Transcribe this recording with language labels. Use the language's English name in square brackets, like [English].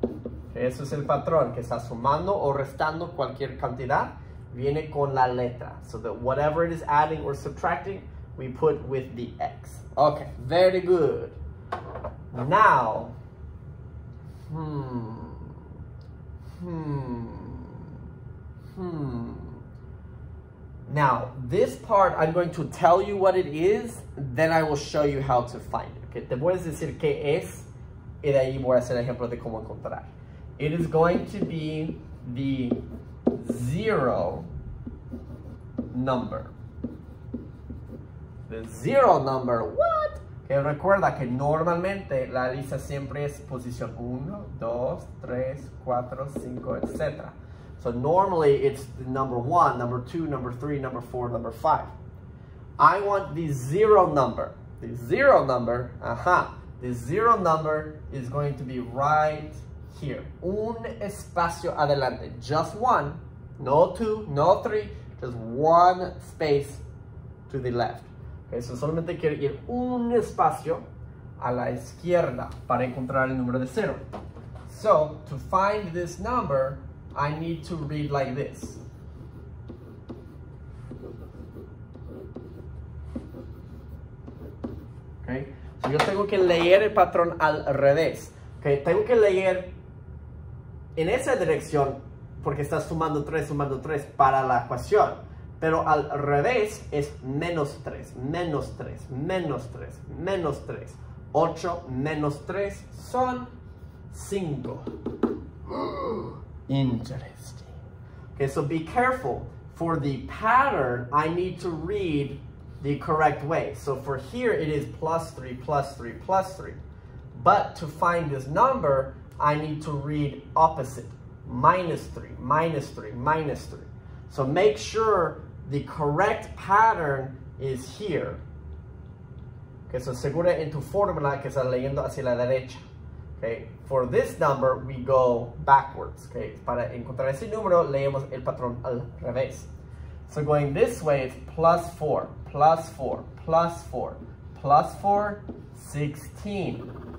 [Spanish] Okay, eso es el patrón, que está sumando o restando cualquier cantidad, viene con la letra. [English] So that whatever it is adding or subtracting, we put with the X. Okay, very good. Now, now, this part, I'm going to tell you what it is, then I will show you how to find it. [Spanish] Okay, te voy a decir qué es, y de ahí voy a hacer el ejemplo de cómo encontrar. [English] It is going to be the zero number. The zero number, what? [Spanish] Que recuerda que normalmente la lista siempre es posición 1, 2, 3, 4, 5, etc. [English] So normally it's the number 1, number 2, number 3, number 4, number 5. I want the zero number. The zero number, the zero number is going to be right here. [Spanish] Un espacio adelante. [English] Just one, no two, no three, just one space to the left. [Spanish] Okay, so solamente quiero ir un espacio a la izquierda para encontrar el número de cero. [English] So, to find this number, I need to read like this. Okay? [Spanish] So yo tengo que leer el patrón al revés. Okay? Tengo que leer en esa dirección porque estás sumando 3 para la ecuación. Pero al revés es menos 3, menos 3, menos 3, menos 3. 8 menos 3 son 5. Interesting. [English] Okay, so be careful. For the pattern, I need to read the correct way. So for here, it is plus 3, plus 3, plus 3. But to find this number, I need to read opposite. Minus 3, minus 3, minus 3. So make sure the correct pattern is here. [Spanish] Okay, so segura en tu fórmula que estás leyendo hacia la derecha. [English] Okay, for this number, we go backwards. [Spanish] Okay, para encontrar ese número, leemos el patrón al revés. [English] So going this way, it's plus 4, plus 4, plus 4, plus 4, 16.